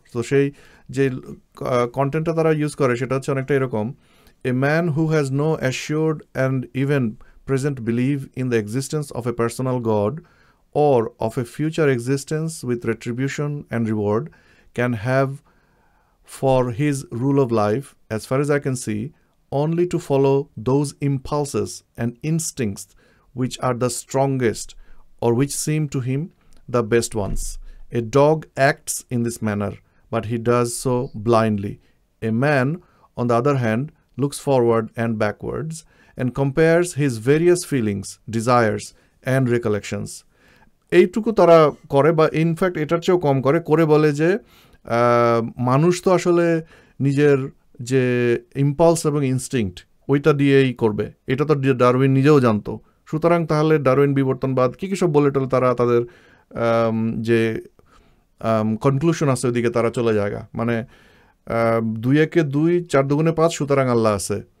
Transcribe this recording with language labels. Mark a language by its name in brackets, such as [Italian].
[Bangla] তো সেই যে কন্টেন্টটা তারা ইউজ করে সেটা হচ্ছে অনেকটা এরকম, [English] A man who has no assured and even present believe in the existence of a personal god or of a future existence with retribution and reward can have for his rule of life as far as I can see only to follow those impulses and instincts which are the strongest or which seem to him the best ones. A dog acts in this manner but he does so blindly. A man on the other hand looks forward and backwards and compares his various feelings, desires and recollections. [Bangla] এইটুকু তারা করে, বা in fact এটার চেয়েও কম করে, করে বলে যে মানুষ তো আসলে নিজের যে ইম্পালস এবং ইনস্টিংক্ট ওইটা দিয়েই করবে, এটা তো ডারউইন নিজেও জানতো। সুতরাং তাহলে ডারউইন বিবর্তনবাদ কী কী সব বলে টলে তারা তাদের যে কনক্লুশন আছে ওইদিকে তারা চলে যায় মানে 2 × 2 = 5, সুতরাং আল্লাহ আছে।